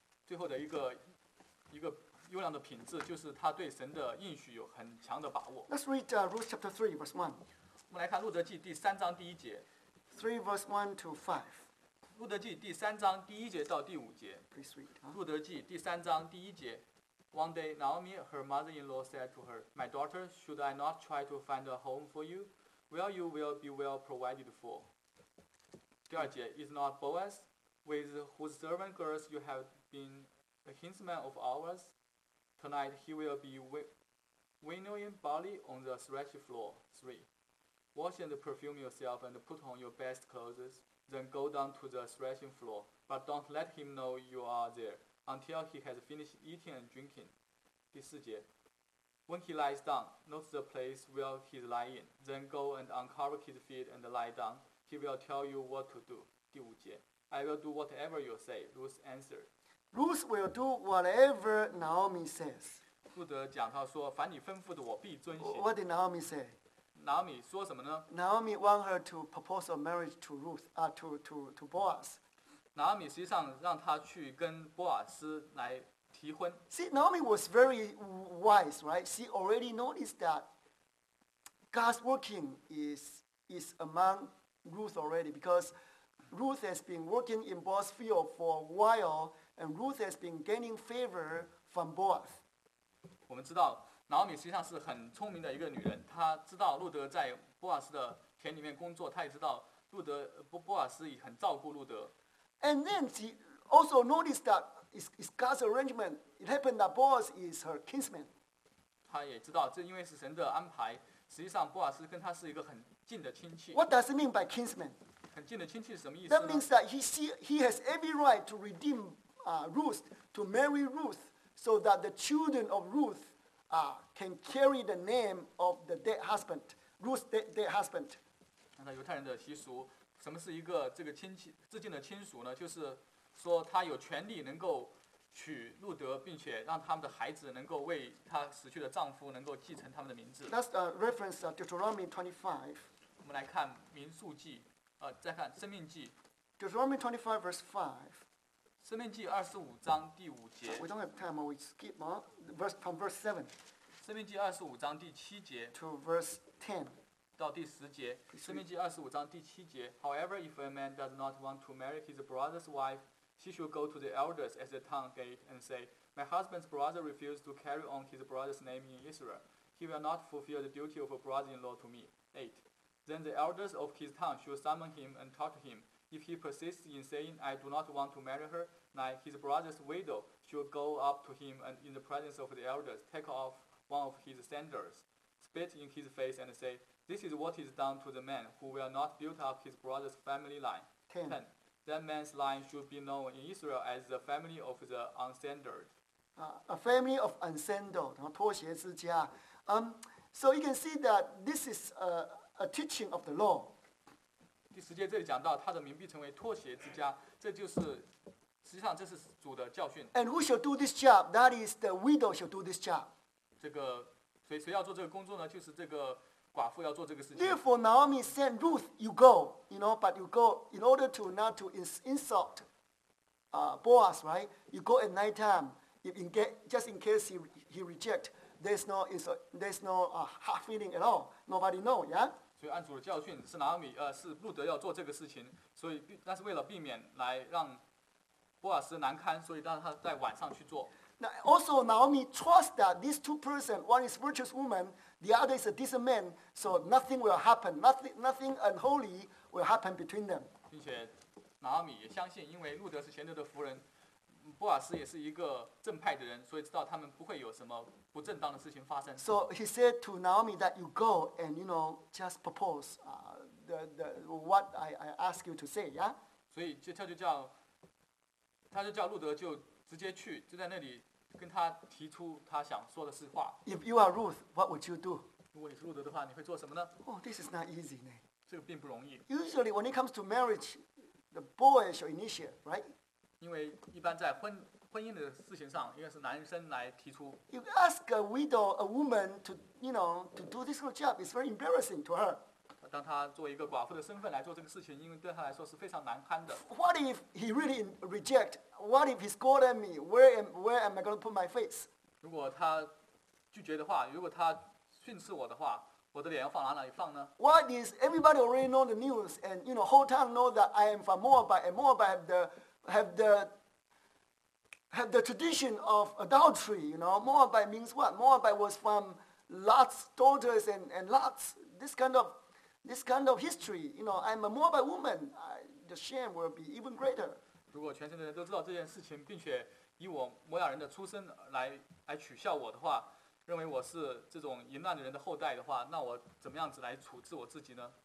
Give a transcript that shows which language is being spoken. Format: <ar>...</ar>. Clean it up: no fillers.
<zh>最后的一个优良的品质就是他对神的应许有很强的把握。</zh> <en>Let's read Ruth chapter 3 verse 1.</en> <zh>我们来看路德记第三章第一节。</zh> <en>3 verse 1 to 5.</en> <zh>路德记第三章第一节到第五节。路德记第三章第一节。</zh> <en>One day, Naomi, her mother-in-law, said to her, My daughter, should I not try to find a home for you? Well, you will be well provided for.</en> <zh>第二节。</zh> <en>Is not Boaz, with whose servant girls you have been a kinsman of ours? Tonight he will be winnowing barley on the threshing floor. 3. Wash and perfume yourself and put on your best clothes. Then go down to the threshing floor, but don't let him know you are there until he has finished eating and drinking.</en> <zh>第四节</zh> <en>When he lies down, note the place where he's lying. Then go and uncover his feet and lie down. He will tell you what to do.</en> <zh>第五节</zh> <en>I will do whatever you say, Ruth answered. Ruth will do whatever Naomi says.</en> <zh>路德讲他说凡你吩咐的我必遵行。</zh> <en>What did Naomi say?</en> <zh>Naomi 说什么呢</zh> <en>？Naomi want her to propose a marriage to Ruth, to Boaz.</en> <zh>Naomi 实际上让她去跟波尔斯来提婚。</zh> <en>See, Naomi was very wise, right? She already noticed that God's working is among Ruth already, because Ruth has been working in Boaz's field for a while, and Ruth has been gaining favor from Boaz.</en> <zh>我们知道。 Naomi 实际上是很聪明的一个女人，她知道路德在波尔斯的田里面工作，她也知道路德波尔斯也很照顾路德。</zh> <en>And then she also noticed that it's God's arrangement. It happened that Boaz is her kinsman.</en> <zh>她也知道这因为是神的安排，实际上波尔斯跟她是一个很近的亲戚。</zh> <en>What does it mean by kinsman?</en> <zh>很近的亲戚是什么意思呢？</zh> <en>That means that he has every right to redeem Ruth, to marry Ruth, so that the children of Ruth can carry the name of the dead husband, Ruth's dead husband.</en> <zh>按照犹太人的习俗，什么是一个这个亲戚至近的亲属呢？就是说他有权利能够娶路德，并且让他们的孩子能够为他死去的丈夫能够继承他们的名字。</zh> <en>That's a reference to Deuteronomy 25.</en> <zh>我们来看民数记，再看生命记。</zh> <en>Deuteronomy 25 verse 5.</en> <zh>生命记二十五章第五节。</zh> <en>We don't have time, we skip on. Verse from verse 7.</en> <zh>生命记二十五章第七节。</zh> <en>To verse 10.</en> <zh>到第十节。生命记二十五章第七节。</zh> <en>However, if a man does not want to marry his brother's wife,She should go to the elders at the town gate and say, My husband's brother refused to carry on his brother's name in Israel. He will not fulfill the duty of a brother-in-law to me. 8. Then the elders of his town should summon him and talk to him. If he persists in saying, I do not want to marry her, 9. His brother's widow should go up to him and in the presence of the elders, take off one of his sandals, spit in his face and say, This is what is done to the man who will not build up his brother's family line. 10. That man's line should be known in Israel as the family of the unsandaled. A family of unsandaled,</en> <zh>拖鞋之家。</zh> <en>So you can see that this is a teaching of the law.</en> <zh>第十节这里讲到他的名必成为拖鞋之家，这就是实际上这是主的教训。</zh> <en>And who shall do this job? That is the widow shall do this job.</en> <zh>这个谁要做这个工作呢？就是这个。寡妇要做这个事情。</zh> <en>Therefore, Naomi sent Ruth, you go, you know, but you go in order to not to insult Boaz, right? You go at night time, just in case he rejects, there's no hard feeling at all. Nobody knows, yeah?</en> <zh>所以按主的教训是Naomi, 是路德要做这个事情，所以但是为了避免来让Boaz难堪，所以让他在晚上去做。</zh> <en>Now, also, Naomi trusts that these two persons, one is a virtuous woman, the other is a decent man, so nothing will happen, nothing unholy will happen between them.</en> <zh>并且Naomi也相信，因为路德是贤德的妇人，波尔斯也是一个正派的人，所以知道他们不会有什么不正当的事情发生。</zh> <en>So he said to Naomi that you go and, you know, just propose what I ask you to say, yeah?</en> <zh>所以他就叫路德就直接去，就在那里跟他提出他想说的是话。</zh> <en>If you are Ruth, what would you do?</en> <zh>如果你是路德的话，你会做什么呢？</zh> <en>Oh, this is not easy, 呢。</en> <zh>这个并不容易。</zh> <en>Usually, when it comes to marriage, the boy shall initiate, right?</en> <zh>因为一般在婚姻的事情上，应该是男生来提出。</zh> <en>You ask a widow, a woman to do this kind of job, it's very embarrassing to her.</en> <zh>当他作为一个寡妇的身份来做这个事情，因为对他来说是非常难堪的。</zh> <en>What if he really reject? What if he scold at me? Where am I going to put my face?</en> <zh>如果他拒绝的话，如果他训斥我的话，我的脸要放哪里放呢？</zh> <en>What is everybody already know the news and you know whole town know that I am from Moabite and Moabite have the tradition of adultery. You know Moabite means what? Moabite was from Lot's daughters and Lot's this kind of history. You know I'm a Moabite woman. The shame will be even greater.</en> <zh>如果全城的人都知道这件事情，并且以我摩亚人的出身来取笑我的话，认为我是这种淫乱的人的后代的话，那我怎么样子来处置我自己呢？</zh>